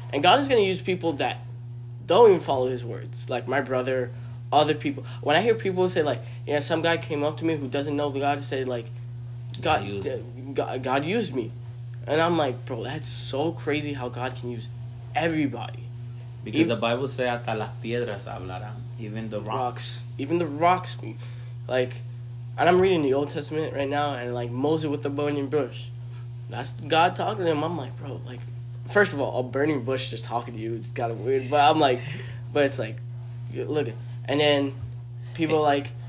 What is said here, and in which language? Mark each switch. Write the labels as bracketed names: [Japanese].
[English] And God is going to use people that don't even follow his words. Like my brother, other people. When I hear people say, like, yeah, some guy came up to me who doesn't know God, and said, like, God used me. And I'm like, bro, that's so crazy how God can use everybody. Because the Bible says, [Spanish] hasta las piedras hablarán. [English] Even the rocks. Even the rocks. Like, and I'm reading the Old Testament right now, and like Moses with the burning bush. That's God talking to him. I'm like, bro, like, first of all, a burning bush just talking to you is kind of weird. But I'm like, but it's like, look. And then people are like,